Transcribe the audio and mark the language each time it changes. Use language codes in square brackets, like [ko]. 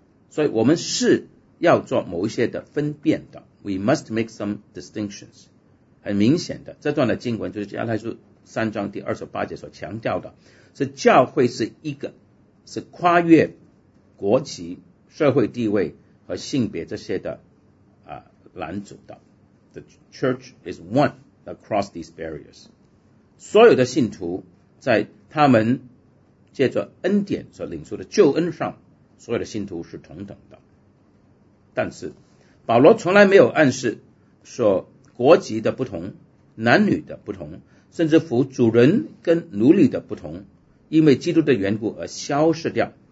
[zh] 所以我们是要做某一些的分辨的， [en] We must make some distinctions。 [zh] 很明显的，这段的经文就是加拉太书3章第28节所强调的，是教会是一个，是跨越国籍、社会地位和性别这些的拦阻的。 [en] The church is one across these barriers。 [zh] 所有的信徒在他们借着恩典所领受的救恩上，所有的信徒是同等的。但是保罗从来没有暗示说国籍的不同、男女的不同，甚至乎主人跟奴隶的不同因为基督的缘故而消失掉。